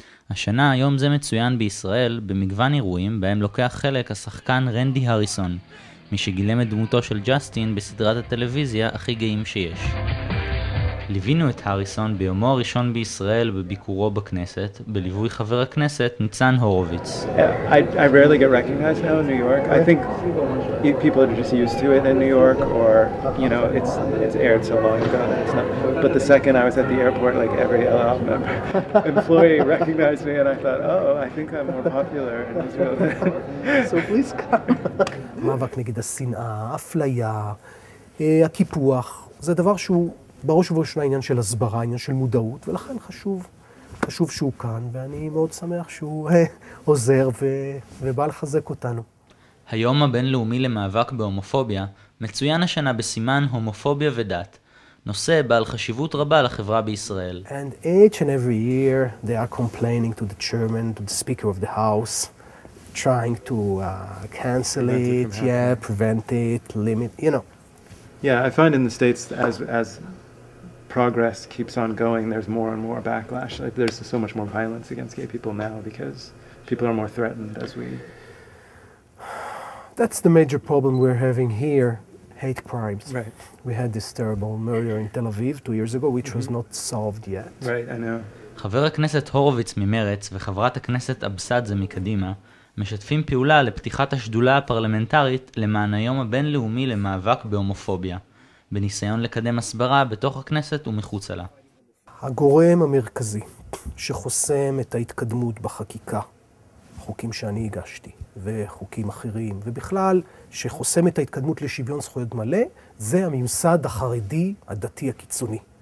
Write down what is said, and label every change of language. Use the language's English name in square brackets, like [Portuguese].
[Hebrew] השנה היום זה מצוין בישראל במגוון אירועים בהם לוקח חלק השחקן רנדי הריסון, מי שגילם את דמותו של ג'סטין בסדרת הטלוויזיה הכי גאים שיש. ליווינו את הריסון ביומו הראשון בישראל בביקורו בכנסת, בליווי חבר הכנסת ניצן הורוביץ. [English] I rarely get recognized now in New York. I think people are just used to it in New York, or you know, it's aired so long ago. But the second I was at the airport, like every LO member employee recognized me, and I thought, I think I'm more popular in Israel. So please come. [Hebrew] מאבק נגד השנאה, אפליה, הקיפוח, זה דבר שהוא בראש ובראשונה עניין של הסברה, עניין של מודעות, ולכן חשוב שהוא כאן, ואני מאוד שמח שהוא עוזר ובא לחזק אותנו. היום הבינלאומי למאבק בהומופוביה מצוין השנה בסימן הומופוביה ודת, נושא בעל חשיבות רבה לחברה בישראל. [English] And each and every year they are complaining to the chairman, to the speaker of the house, trying to cancel it, prevent it, limit, you know. Yeah, I find in the States as progress keeps on going, there's more and more backlash. Like there's so much more violence against gay people now because people are more threatened as we... That's the major problem we're having here, hate crimes. Right. We had this terrible murder in Tel Aviv 2 years ago, which was not solved yet. Right, I know. [Hebrew] חבר הכנסת הורוביץ ממרץ וחברת הכנסת אבסדזה מקדימה משתפים פעולה לפתיחת השדולה הפרלמנטרית למען היום הבינלאומי למאבק בהומופוביה. בניסיון לקדם הסברה בתוך הכנסת ומחוץ לה. הגורם המרכזי שחוסם את ההתקדמות בחקיקה, חוקים שאני הגשתי וחוקים אחרים, ובכלל שחוסם את ההתקדמות לשוויון זכויות מלא, זה הממסד החרדי הדתי הקיצוני.